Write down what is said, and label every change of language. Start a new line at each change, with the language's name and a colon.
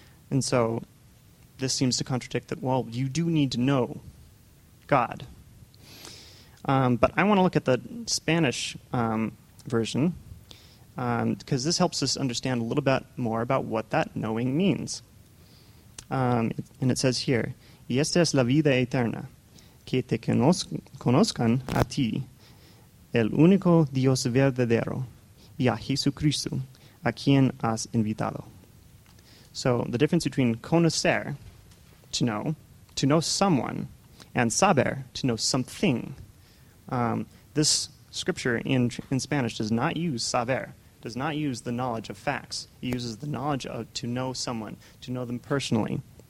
English: And so this seems to contradict that, well, you do need to know God. But I want to look at the Spanish version, because this helps us understand a little bit more about what that knowing means. And it says here,
Spanish: y esta es la vida eterna, que te conozcan a ti, el único Dios verdadero, y a Jesucristo, a quien has invitado.
English: So the difference between conocer, to know someone, and saber, to know something. This scripture in Spanish does not use saber, does not use the knowledge of facts. It uses the knowledge of to know someone, to know them personally.